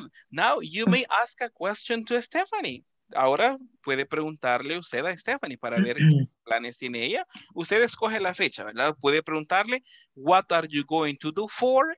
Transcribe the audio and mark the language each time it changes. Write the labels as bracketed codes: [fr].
[en] Now you may ask a question to Stephanie. [es] Ahora puede preguntarle usted a Stephanie para ver qué planes tiene ella. Usted escoge la fecha, ¿verdad? Puede preguntarle, [en] what are you going to do for?